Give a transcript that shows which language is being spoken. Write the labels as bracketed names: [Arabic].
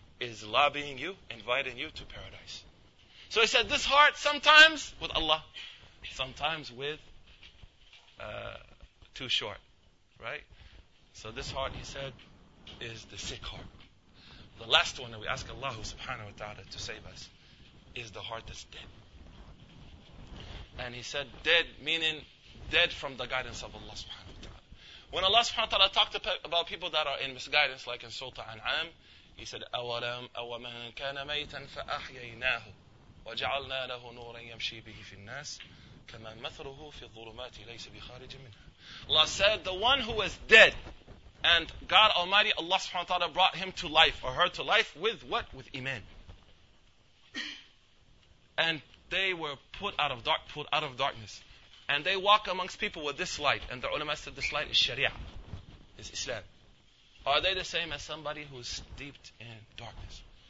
[English] is lobbying you, inviting you to paradise. So he said, this heart, sometimes with Allah, sometimes with too short, right? So this heart, he said, is the sick heart. The last one that we ask Allah subhanahu wa ta'ala to save us is the heart that's dead. And he said, dead, meaning dead from the guidance of Allah subhanahu wa ta'ala. When Allah subhanahu wa ta'ala talked about people that are in misguidance, like in Surah An'am, he said, [Arabic] أَوَلَمْ أَوَمَنْ كَانَ مَيْتًا فَأَحْيَيْنَاهُ وَجَعَلْنَا لَهُ نُورًا يَمْشِي بِهِ فِي النَّاسِ كَمَا مَثْرُهُ فِي الظُّلُمَاتِ لَيْسَ بِخَارِجٍ مِنْهَا. [English] Allah said, the one who was dead, and God Almighty, Allah subhanahu wa ta'ala brought him to life, or her to life, with what? With iman. And they were put out of darkness. And they walk amongst people with this light. And the ulama said this light is sharia, is Islam. Are they the same as somebody who's steeped in darkness?